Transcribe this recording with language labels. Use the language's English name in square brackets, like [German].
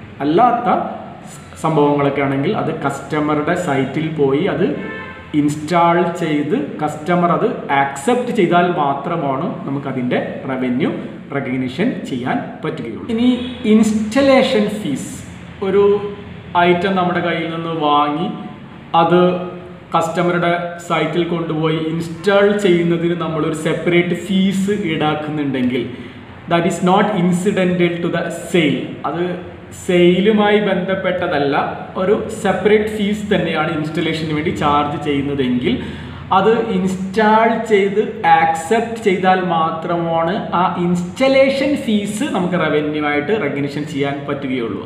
[Malayalam] അല്ലാത്ത സംഭവങ്ങളൊക്കെ ആണെങ്കിൽ അത് കസ്റ്റമറുടെ സൈറ്റിൽ പോയി അത് ഇൻസ്റ്റാൾ ചെയ്ത് കസ്റ്റമർ അത് ആക്സെപ്റ്റ് ചെയ്താൽ മാത്രമാണ് നമുക്കതിൻ്റെ റവന്യൂ റെക്കഗ്നിഷൻ ചെയ്യാൻ പറ്റുകയുള്ളൂ. ഇനി ഇൻസ്റ്റലേഷൻ ഫീസ്, ഒരു ഐറ്റം നമ്മുടെ കയ്യിൽ നിന്ന് വാങ്ങി അത് കസ്റ്റമറുടെ സൈറ്റിൽ കൊണ്ടുപോയി ഇൻസ്റ്റാൾ ചെയ്യുന്നതിന് നമ്മളൊരു separate fees ഈടാക്കുന്നുണ്ടെങ്കിൽ [English] that is not incidental to the sale. [Malayalam] അത് സെയിലുമായി ബന്ധപ്പെട്ടതല്ല, ഒരു സെപ്പറേറ്റ് ഫീസ് തന്നെയാണ് ഇൻസ്റ്റലേഷന് വേണ്ടി ചാർജ് ചെയ്യുന്നതെങ്കിൽ അത് ഇൻസ്റ്റാൾ ചെയ്ത് ആക്സെപ്റ്റ് ചെയ്താൽ മാത്രമാണ് ആ ഇൻസ്റ്റലേഷൻ ഫീസ് നമുക്ക് റവന്യൂ ആയിട്ട് റെക്കഗ്നിഷൻ ചെയ്യാൻ പറ്റുകയുള്ളൂ.